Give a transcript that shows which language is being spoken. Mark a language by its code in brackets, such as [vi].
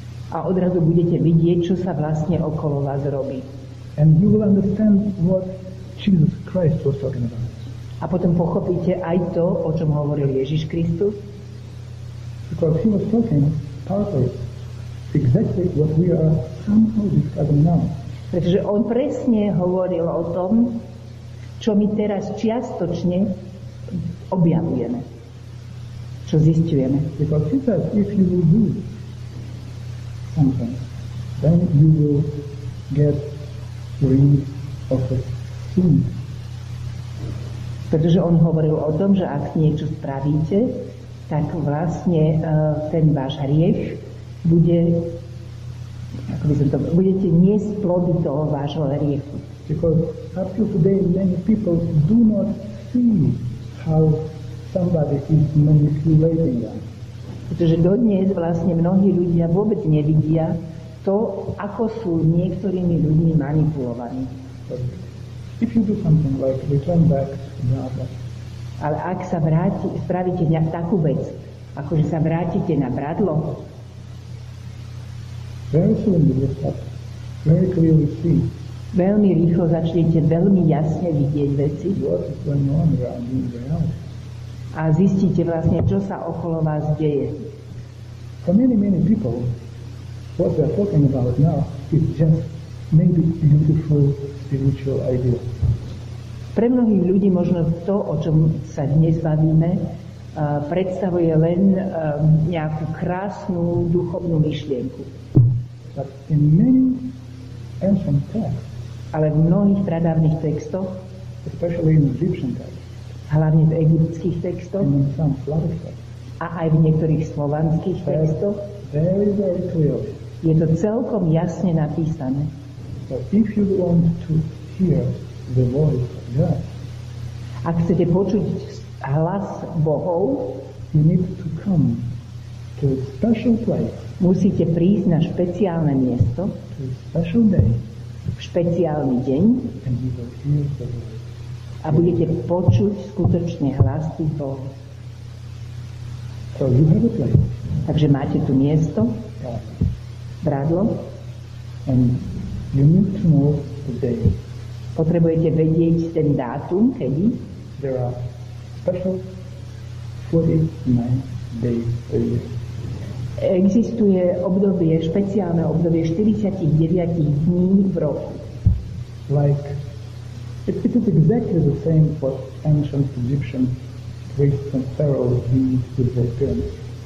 [sk] A odrazu budete vidieť, čo sa vlastne okolo vás robí. [en] And you will understand what Jesus Christ was talking about. [sk] A potom pochopíte aj to, o čom hovoril Ježiš Kristus. [en] Because he was talking partly exactly what we are somehow discussing now. [sk] Pretože on presne hovoril o tom, čo my teraz čiastočne objavujeme, čo zisťujeme. [en] Because he says, if you will do something, then you will get rid of the sin. [sk] Pretože on hovoril o tom, že ak niečo spravíte, tak vlastne ten váš hriech bude, ako by som to, budete niesť plody toho vášho hriechu. [en] Because up to today many people do not see how somebody is manipulating them. [sk] Pretože dodnes vlastne mnohí ľudia vôbec nevidia to, ako sú niektorými ľuďmi manipulovaní. [en] If you do something like return back to Brahma. [sk] Ale ak sa spravíte nejak takú vec, ako že sa vrátite na bradlo, [en] very soon you will start very clearly see. [sk] Veľmi rýchlo začnete veľmi jasne vidieť veci. [en] What is going on around you in reality? [sk] a zistíte vlastne, čo sa okolo vás deje. [en] For many, many people, what they're talking about now is just maybe beautiful spiritual idea. [sk] Pre mnohých ľudí možno to, o čom sa dnes bavíme, predstavuje len nejakú krásnu duchovnú myšlienku. [en] But in many ancient texts, [sk] ale v mnohých pradávnych textoch, [en] especially in Egyptian texts, [sk] hlavne v egyptských textoch, [en] and in some Slavic texts, [sk] a aj v niektorých slovanských textoch, [en] very, very clearly, [sk] je to celkom jasne napísané. [en] But if you want to hear the voice of God, [sk] ak chcete počuť hlas Bohov, [en] you need to come to a special place, [sk] musíte prísť na špeciálne miesto, [en] to a special day, [sk] v špeciálny deň, [en] and you will hear the voice, [sk] a budete počuť skutočne hlas tých Bohov. [en] So you have a place. [sk] Takže máte tu miesto, bradlo, [en] and you need to know the day. [sk] Potrebujete vedieť ten dátum, kedy? [en] There are special 49 days a year. [sk] Existuje obdobie, špeciálne obdobie 49 dní v roku. [en] Like, it is exactly the same what ancient Egyptian priests and pharaohs did with their pyramids.